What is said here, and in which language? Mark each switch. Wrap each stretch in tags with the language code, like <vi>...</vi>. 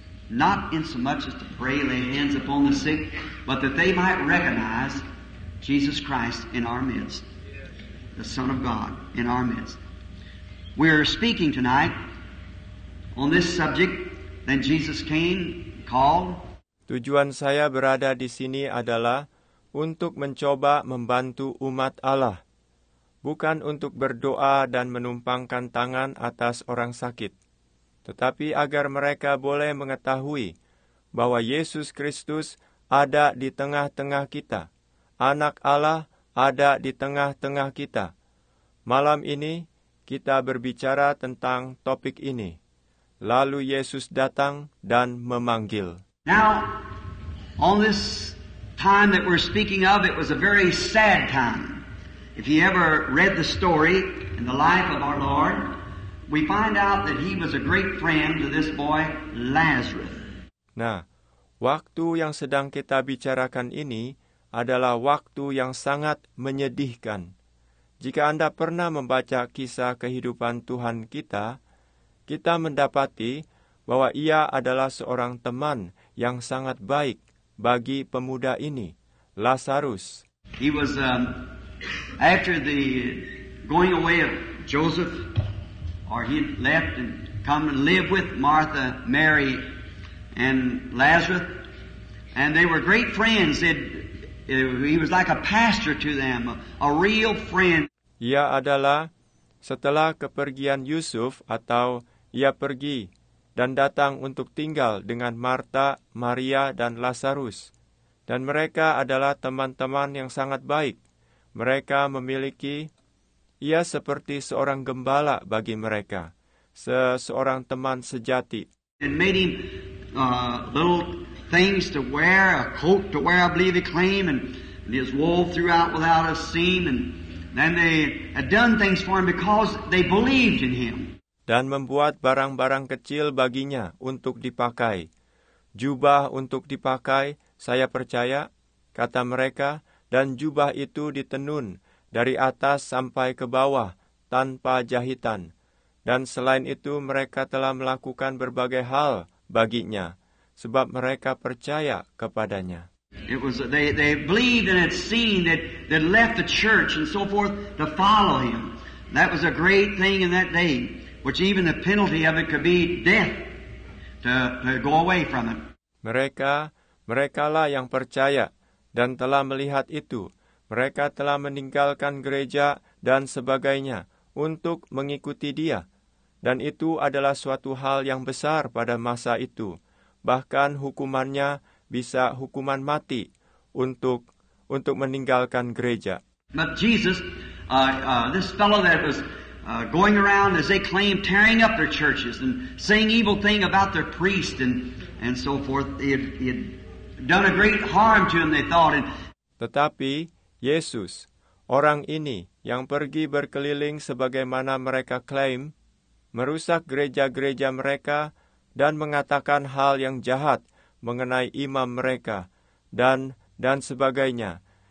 <en>Not in so much as to pray, lay hands upon the sick, but that they might recognize Jesus Christ in our midst. The Son of God in our midst. We are speaking tonight on this subject. Then Jesus came, called.</en> <id>Tujuan saya berada di sini adalah untuk mencoba membantu umat Allah, bukan untuk berdoa dan menumpangkan tangan atas orang sakit, tetapi agar mereka boleh mengetahui bahwa Yesus Kristus ada di tengah-tengah kita, Anak Allah ada di tengah-tengah kita. Malam ini kita berbicara tentang topik ini. Lalu Yesus datang dan memanggil.</id> <en>Now, on this time that we're speaking of, it was a very sad time. If you ever read the story in the life of our Lord, we find out that he was a great friend to this boy, Lazarus.</en> <id>Nah, waktu yang sedang kita bicarakan ini adalah waktu yang sangat menyedihkan. Jika Anda pernah membaca kisah kehidupan Tuhan kita, kita mendapati bahwa ia adalah seorang teman yang sangat baik bagi pemuda ini, Lazarus.</id> <en>He was after the going away of Joseph, or he left and come and live with Martha, Mary, and Lazarus, and they were great friends. He was like a pastor to them, a real friend.</en> <id>Ia adalah setelah kepergian Yusuf atau ia pergi dan datang untuk tinggal dengan Martha, Maria, dan Lazarus. Dan mereka adalah teman-teman yang sangat baik. Mereka memiliki, ia seperti seorang gembala bagi mereka, seorang teman sejati.</id> <en>And made him little things to wear, a coat to wear, I believe he claimed, and his wool throughout without a seam, and then they had done things for him because they believed in him.</en> <id>Dan membuat barang-barang kecil baginya untuk dipakai. Jubah untuk dipakai, saya percaya, kata mereka, dan jubah itu ditenun dari atas sampai ke bawah tanpa jahitan. Dan selain itu mereka telah melakukan berbagai hal baginya, sebab mereka percaya kepadanya.</id> <en>It was they believed and had seen that they left the church and so forth to follow him. That was a great thing in that day. Which even the penalty of it could be death to go away from it.</en> <id>Mereka lah yang percaya dan telah melihat itu. Mereka telah meninggalkan gereja dan sebagainya untuk mengikuti dia. Dan itu adalah suatu hal yang besar pada masa itu. Bahkan hukumannya bisa hukuman mati untuk meninggalkan gereja.</id> <en>But Jesus, this fellow that was going around, as they claim, tearing up their churches and saying evil thing about their priest and so forth. He had done a great harm to them, they thought.</en> <id>Tetapi Yesus, orang ini yang pergi berkeliling sebagaimana mereka klaim, merusak gereja-gereja mereka dan mengatakan hal yang jahat mengenai imam mereka dan sebagainya.</id>